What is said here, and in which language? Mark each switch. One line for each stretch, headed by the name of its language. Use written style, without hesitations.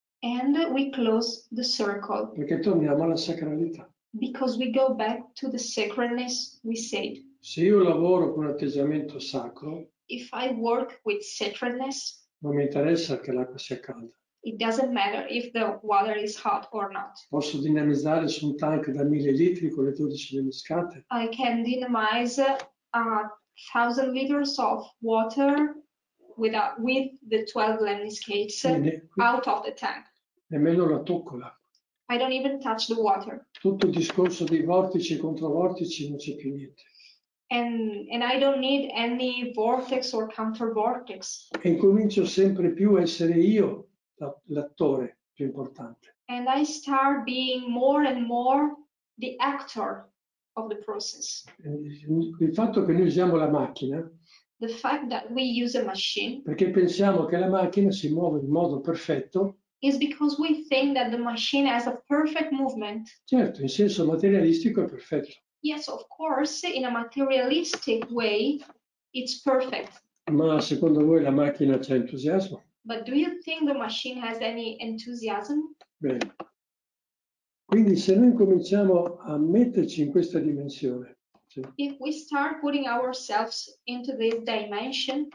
English: And we close the circle.
Italian: Perché torniamo alla sacralità.
English: Because we go back to the sacredness we said.
Italian: Se io lavoro con un atteggiamento sacro.
English: If I work with sacredness.
Italian: Non mi interessa che l'acqua sia calda.
English: It doesn't matter if the water is hot or not.
Italian: Posso dinamizzare su un tank da 1000 litri con le 12 innescate.
English: I can dynamize a 1,000 liters of water with the 12 landscapes out of the tank.
Italian: Nemmeno la tocco l'acqua.
English: I don't even touch the water.
Italian: Tutto il discorso dei vortici e controvortici non c'è più niente.
English: And I don't need any vortex or counter vortex.
Italian: E comincio sempre più a essere io l'attore più importante.
English: And I start being more and more the actor of the process.
Italian: Il fatto che noi usiamo la macchina.
English: The fact that we use a machine.
Italian: Perché pensiamo che la macchina si muove in modo perfetto.
English: Is because we think that the machine has a perfect movement.
Italian: Certo, in senso materialistico è perfetto.
English: Yes, of course, in a materialistic way, it's perfect.
Italian: Ma secondo voi la macchina c'ha entusiasmo?
English: But do you think the machine has any enthusiasm?
Italian: Bene. Quindi se noi cominciamo a metterci in questa dimensione, cioè,
English: if we start putting ourselves into this dimension,